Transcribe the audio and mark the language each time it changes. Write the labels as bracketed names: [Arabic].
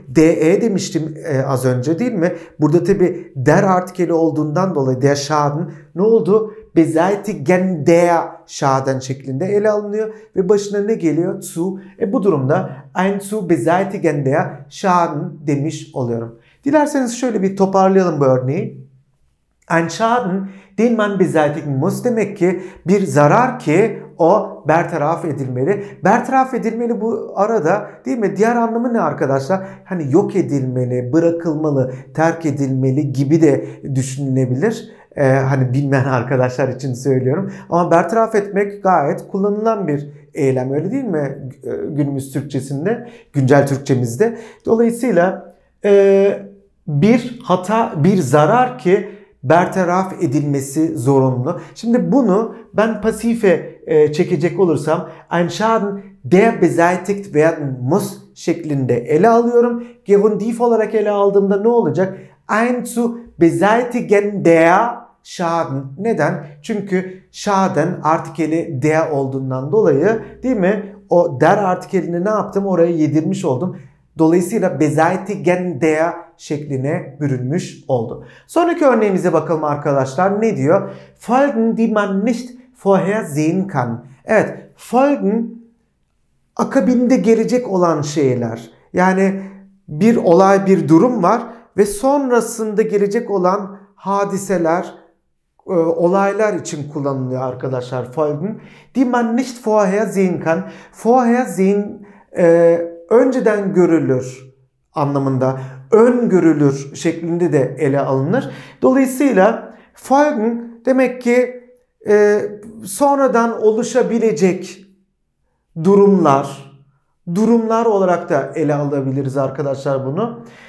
[Turkish] De demiştim az önce değil mi? Burada tabi der artikeli olduğundan dolayı der Schaden ne oldu? Beseitigen der Schaden şeklinde ele alınıyor. Ve başına ne geliyor? Zu. Bu durumda [German] ein zu beseitigen der Schaden [Turkish] demiş oluyorum. Dilerseniz şöyle bir toparlayalım bu örneği. [German] Ein Schaden, den man beseitigen muss. [Turkish] Demek ki bir zarar ki o bertaraf edilmeli. Bertaraf edilmeli bu arada değil mi? Diğer anlamı ne arkadaşlar? Hani yok edilmeli, bırakılmalı, terk edilmeli gibi de düşünülebilir. Hani bilmeyen arkadaşlar için söylüyorum. Ama bertaraf etmek gayet kullanılan bir eylem öyle değil mi? Günümüz Türkçesinde, güncel Türkçemizde. Dolayısıyla bir hata, bir zarar ki bertaraf edilmesi zorunlu. Şimdi bunu ben pasife çekecek olursam [German] ein Schaden, der beseitigt werden muss [Turkish] şeklinde ele alıyorum. Gerundiv olarak ele aldığımda ne olacak? [German] Ein zu beseitigen der Schaden. [Turkish] Neden? Çünkü Schaden artikeli der olduğundan dolayı değil mi? O der artikelini ne yaptım? Oraya yedirmiş oldum. Dolayısıyla beseitigen der şekline bürünmüş oldu. Sonraki örneğimize bakalım arkadaşlar. Ne diyor? [German] Folgen, die man nicht vorhersehen kann. [Turkish] Evet, folgen akabinde gelecek olan şeyler. Yani bir olay, bir durum var ve sonrasında gelecek olan hadiseler, olaylar için kullanılıyor arkadaşlar Folgen. [German] Die man nicht vorher sehen kann. [Turkish] Vorher sehen önceden görülür anlamında, öngörülür şeklinde de ele alınır. Dolayısıyla Folgen demek ki sonradan oluşabilecek durumlar, durumlar olarak da ele alabiliriz arkadaşlar bunu.